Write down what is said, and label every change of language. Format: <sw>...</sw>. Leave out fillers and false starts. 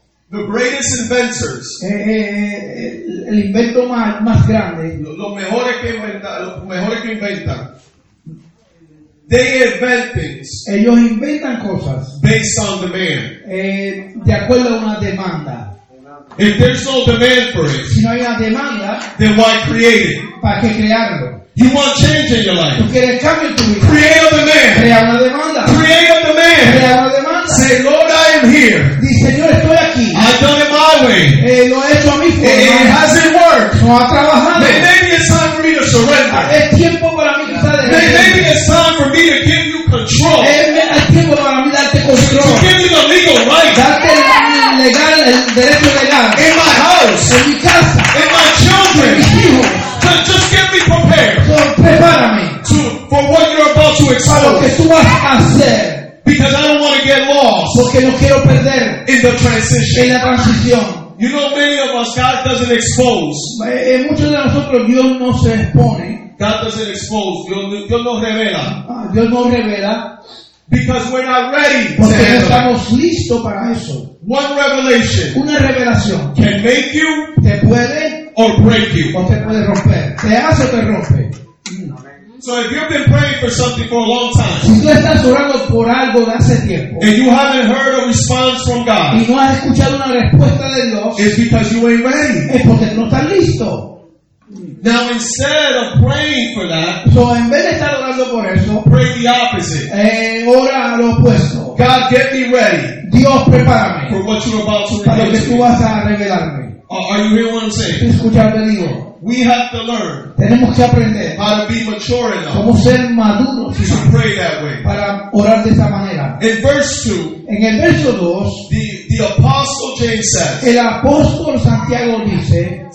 <en>The greatest inventors.</en> <es>El invento más grande. Los mejores que inventan.</es> <en>They invent things.</en> <es>Ellos inventan cosas.</es> <en>Based on demand.</en> <es>De acuerdo a una demanda.</es> <en>If there's no demand for it,</en> <es>si no hay una demanda,</es> <en>then why create it?</en> <es>¿Para qué crearlo?</es> <en>You want change in your life.</en> <es>Tú quieres cambio en tu vida.</es> <en>Create a demand.</en> <es>Crea una demanda.</es> <en>Create a demand.</en> <es>Crea una demanda.</es> <en>Say, Lord, I am here.</en> <es>Di, Señor, estoy aquí.</es> <en>I've done it my way.</en> <es>Lo he hecho a mi forma.</es> <en>It hasn't worked.</en> <es>No ha trabajado.</es> <en>Maybe it's time for me to surrender.</en> <es>Es tiempo para mí</es> <en>de maybe it's time for me to give you control.</en> <es>Es tiempo para mí darte control.</es> <en>To give you the legal right.</en> <es>Darte legal, el derecho legal.</es> <en>In my house.</en> <es>En mi casa.</es> <en>In my children.</en> <es>En mis hijos.</es> <en>To just get me prepared.</en> <es>So, prepárame.</es> <en>For what you're about to expose.</en> <es>Lo que tú vas a hacer.</es> <en>Because I don't want to get lost.</en> <es>Porque no quiero perder.</es> <en>In the transition.</en> <es>En la transición.</es> <en>You know many of us, God doesn't expose.</en> <es>En muchos de nosotros, Dios no se expone.</es> <en>God doesn't expose.</en> <es>Dios no revela. Dios no revela.</es> <en>Because we're not ready.</en> <es>Porque no estamos listos para eso.</es> <en>One revelation.</en> <es>Una revelación.</es> <en>Can make you.</en> <es>Te puede.</es> <en>Or break you.</en> <es>O te puede romper. Te hace o te rompe.</es> <en>So if you've been praying for something for a long time.</en> <es>Si tú estás orando por algo de hace tiempo.</es> <en>And you haven't heard a response from God.</en> <es>Y no has escuchado una respuesta de Dios.</es> <en>It's because you ain't ready.</en> <es>Es porque no estás listo.</es> <en>Now instead of praying for that,</en> <es>so en vez de estar orando por eso,</es> <en>pray the opposite.</en> <es>Ora lo opuesto.</es> <en>God, get me ready.</en> <es>Dios, prepárame.</es> <en>For what you're about to</en> <es>reveal. Para lo que tú vas a revelarme.</es> <en>Are you hearing what I'm saying?</en> <es>¿Estás escuchando digo?</es> <en>We have to learn.</en> <es>Tenemos que aprender.</es> <en>How to be mature enough.</en> <es>Cómo ser maduro.</es> <en>To sino, pray that way.</en> <es>Para orar de esa manera.</es> <en>In verse 2,</en> <es>en el verso 2,</es> <en>the apostle James says,</en> <es>el apóstol Santiago dice,</es>